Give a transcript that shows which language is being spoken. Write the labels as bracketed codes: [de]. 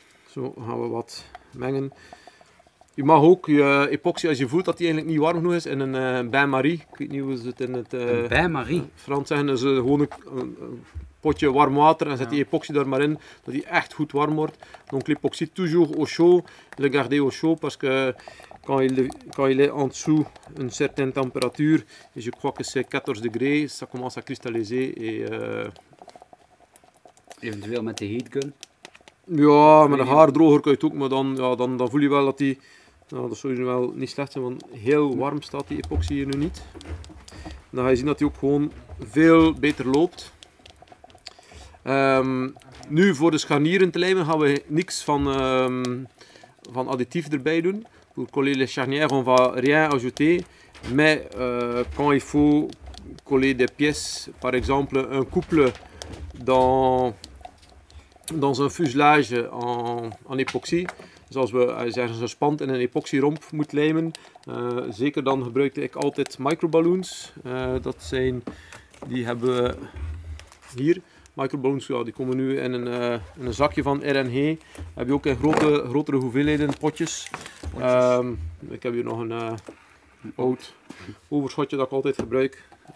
[nl] Zo gaan we wat mengen. Je mag ook je epoxy, als je voelt dat die eigenlijk niet warm genoeg is, in een bain-marie. Ik weet niet hoe ze het in het Frans zeggen. Dus gewoon een potje warm water en zet die epoxy daar maar in, dat die echt goed warm wordt. [fr] Donc l'epoxy toujours au chaud, le garder au chaud, parce que quand il est en dessous une certaine temperatuur, je crois que c'est 14 degrés, ça commence à cristalliser. [nl] Eventueel met de heat gun. Ja, met een haardroger kan je het ook, maar dan voel je wel dat die... Nou, dat zou je wel niet slecht zijn, want heel warm staat die epoxy hier nu niet. Dan ga je zien dat die ook gewoon veel beter loopt. Nu, voor de scharnieren te lijmen, gaan we niks van additief erbij doen. [fr] Pour coller les charnières, on va rien ajouter. Mais quand il faut coller des pièces, par exemple un couple dans... Dans un fuselage en epoxy, [nl] Dus als je ergens een spand in een epoxyromp moet lijmen, zeker dan gebruikte ik altijd microballoons. Dat zijn, die hebben we hier. Microballoons, ja, die komen nu in een zakje van RNG. Heb je ook in grotere hoeveelheden potjes. Ik heb hier nog een oud overschotje dat ik altijd gebruik.